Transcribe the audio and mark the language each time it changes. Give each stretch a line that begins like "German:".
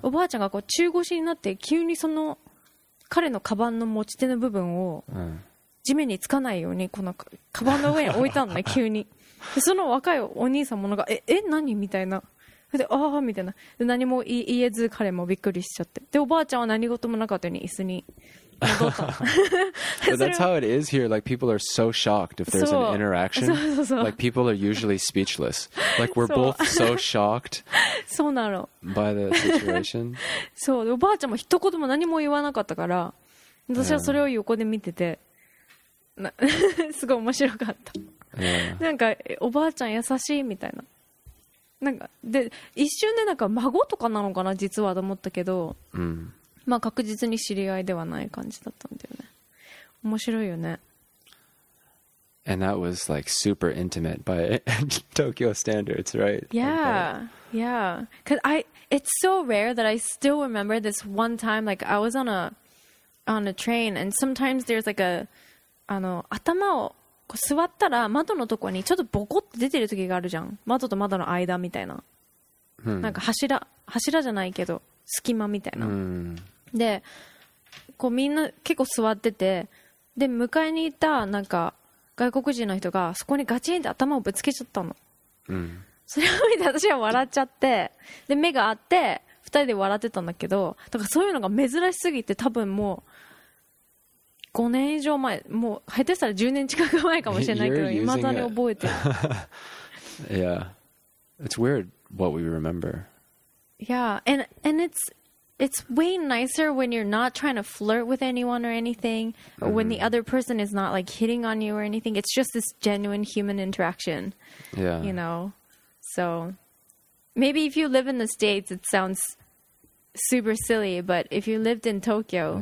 Japanese: おばあちゃんがこう中腰になって急にその彼のカバンの持ち手の部分を地面につかないようにこのカバンの上に置いたのね。急にその若いお兄さんもなんか何みたいな、でああみたいな、で何も言えず彼もびっくりしちゃって、でおばあちゃんは何事もなかったように椅子に
English: But that's how it is here. Like, people are so shocked if there's an interaction. Like, people are usually speechless. Like, we're both so shocked by the situation.
Japanese: そう、おばあちゃんも一言も何も言わなかったから、私はそれを横で見てて、すごい面白かった。なんか、おばあちゃん優しいみたいな。なんか、で、一瞬でなんか孫とかなのかな、実はと思ったけど。まあ確実に知り合いではない感じだったんだよね。面白いよね。
English: And that was like super intimate by Tokyo standards, right? Yeah, like yeah. Cause it's so rare that I still remember this one time. Like I was on a train, and sometimes there's like
Japanese: あの頭をこう座ったら窓のとこにちょっとボコって出てる時があるじゃん。窓と窓の間みたいな。なんか柱じゃないけど隙間みたいな。でこうみんな結構座ってて、で迎えにいたなんか外国人の人がそこにガチンって頭をぶつけちゃったの、それを見て私は笑っちゃって、で目が合って 2人で笑ってたんだけど、だからそういうのが珍しすぎて、多分もう5年以上前、もう下手したら10年近く前かもしれないけど、未だに覚えて
English: る。Yeah. It's weird what we remember. Yeah, and it's way nicer when you're not trying to flirt with anyone or anything, or when the other person is not like hitting on you or anything. It's just this genuine human interaction. Yeah. You know? So maybe if you live in the States, it sounds super silly, but if you lived in Tokyo,